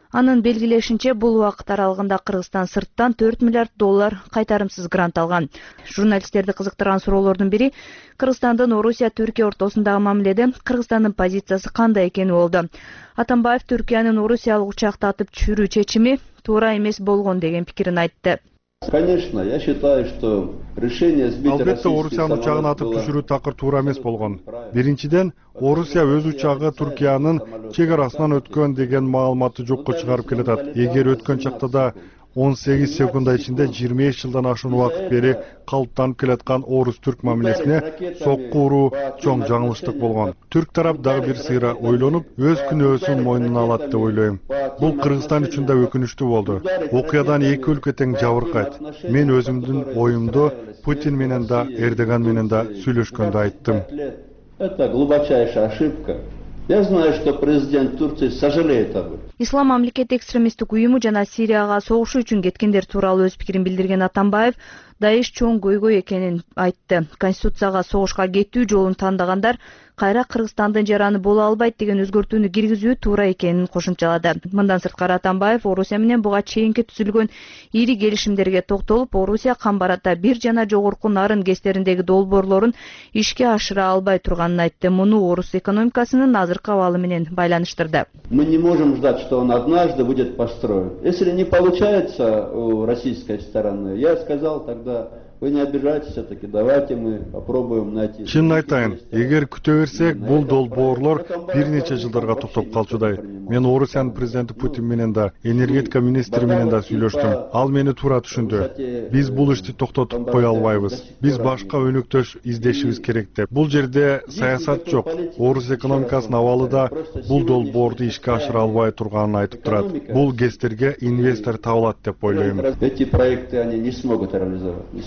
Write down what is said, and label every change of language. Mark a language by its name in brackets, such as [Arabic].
[Kyrgyz] Анын белгилешинче, бул убакыт аралыгында Кыргызстан сырттан 4 миллиард доллар кайтарымсыз грант алган. Журналисттерди кызыктырган суроолордун бири Кыргызстандын Орусия Түркия ортосундагы мамиледе Кыргызстандын позициясы кандай экени болду. Атамбаев Түркиянын Орусиялык учакты атып түшүрүү чечими туура эмес болгон деген пикирин айтты. [Russian] Конечно, я считаю, что решение сбить российский самолет. [Kyrgyz] Албетте, Орусиянын учагын атып түшүрүү такыр туура эмес болгон. Биринчиден, Орусия өз учагы Түркиянын чек арасынан өткөн деген маалыматты жокко чыгарып келатат. Эгер өткөн чакта да 18 секунда ичинде 25 жылдан ашуун убакыт бери калыптанып келаткан орус түрк мамилесине сокку уруу чоң жаңылыштык болгон. Түрк тарап дагы бир сыйра ойлонуп, өз күнөөсүн мойнуна алат деп ойлойм. Бул Кыргызстан үчүн да өкүнүчтүү болду. Окуядан эки өлкө тең жабыркайт. Мен өзүмдүн оюмду Путин менен да Эрдоган менен да сүйлөшкөндө айттым. [Russian] Это глубочайшая ошибка. Я знаю, что президент Турции сожалеет об этом. [Kyrgyz] Ислам мамлекети экстремисттик уюму жана Сирияга согушуу үчүн кеткендер тууралуу өз пикирин билдирген Атамбаев Даиш чоң көйгөй экенин айтты. Конституцияга согушка кетүү жолун тандагандар кайра Кыргызстандын жараны боло албайт деген өзгөртүүнү киргизүү туура экенин кошумчалады. Мындан сырткары Атамбаев Орусия менен буга чейинки түзүлгөн ири келишимдерге токтолуп, Орусия кам барата бир жана жогорку нарын гестериндеги долбоорлорун ишке ашыра албай турганын айтты. Муну орус экономикасынын азыркы абалы менен байланыштырды. [Russian] Мы не можем ждать, что он однажды будет построен. Если не получается у российской стороны, я сказал тогда Вы не обижайтесь все-таки. Давайте мы попробуем найти. [Kyrgyz] Чын айтайын, эгер күтө берсек, бул долбоорлор бир нече жылдарга токтоп калчудай. Мен Орусиянын президенти Путин менен да, энергетика министри менен да сүйлөштүм. Ал мени туура түшүндү. Биз бул ишти токтотуп кое албайбыз. Биз башка өнүктөш издешибиз керек деп. Бул жерде саясат жок. Орус экономикасынын абалы да бул долбоорду ишке ашыра албай турганын айтып турат. Бул гестерге инвестор табылат деп ойлойм. [Russian] Эти проекты они не смогут реализовать.